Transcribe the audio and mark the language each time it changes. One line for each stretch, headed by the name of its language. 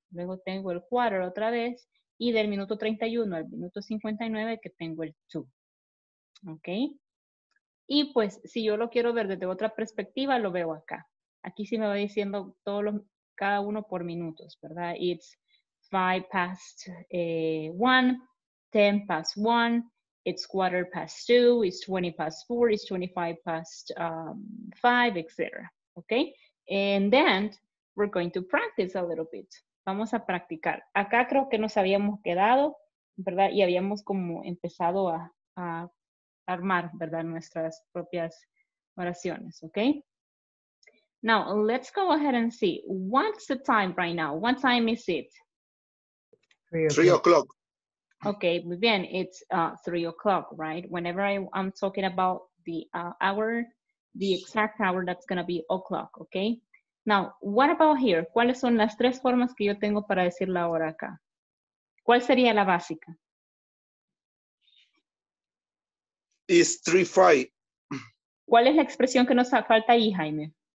Spanish: Luego tengo el quarter otra vez. Y del minuto 31 al minuto 59 que tengo el to. ¿Ok? Y pues, si yo lo quiero ver desde otra perspectiva, lo veo acá. Aquí sí me va diciendo cada uno por minutos, ¿verdad?
English: It's 5 past 1, 10 past 1, it's quarter past 2, it's 20 past 4, it's 25 past 5, etc. ¿Ok? And then, we're going to practice a little bit.
Spanish: Vamos a practicar. Acá creo que nos habíamos quedado, ¿verdad? Y habíamos como empezado a armar, ¿verdad? Nuestras propias oraciones, ¿ok?
English: Now, let's go ahead and see. What's the time right now? What time is it? 3 o'clock. Okay,
Spanish: muy bien.
English: It's 3 o'clock, right? Whenever I'm talking about the hour, the exact hour, that's going to be o'clock, okay? Now, what about here?
Spanish: ¿Cuáles son las tres formas que yo tengo para decir la hora acá? ¿Cuál sería la básica?
English: It's 3:05.
Spanish: ¿Cuál es la expresión que nos falta ahí, Jaime?